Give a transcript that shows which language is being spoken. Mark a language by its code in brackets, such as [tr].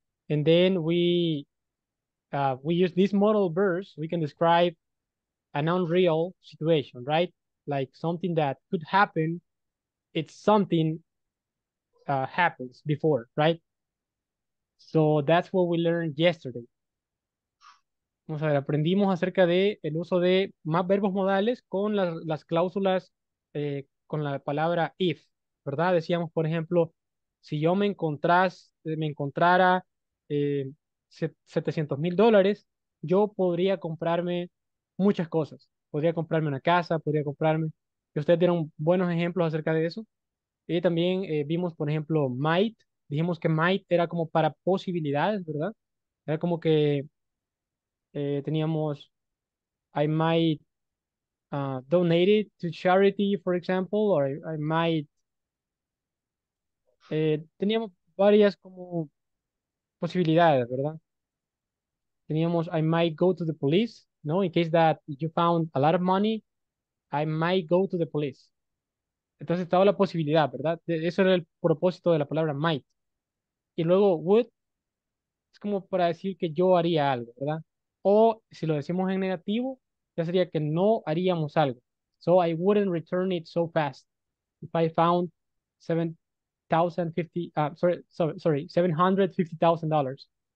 [en] And then we use these modal verbs, we can describe an unreal situation, right? Like something that could happen, it's something happens before, right? So that's what we learned yesterday. [es] Vamos a ver, aprendimos acerca de el uso de más verbos modales con las cláusulas con la palabra if, ¿verdad? Decíamos, por ejemplo, si yo me encontrara 700 mil dólares, yo podría comprarme muchas cosas. Podría comprarme una casa, podría comprarme. Y ustedes dieron buenos ejemplos acerca de eso. Y también vimos, por ejemplo, might. Dijimos que might era como para posibilidades, ¿verdad? Era como que teníamos, [en] I might donate it to charity, for example, or I might. [es] Teníamos varias como posibilidades, ¿verdad? [en] Teníamos, I might go to the police. No, in case that you found a lot of money, I might go to the police. [es] Entonces estaba la posibilidad, ¿verdad? Eso era el propósito de la palabra might. Y luego would es como para decir que yo haría algo, ¿verdad? O si lo decimos en negativo, ya sería que no haríamos algo. [en] So I wouldn't return it so fast. If I found 7,050, $750,000.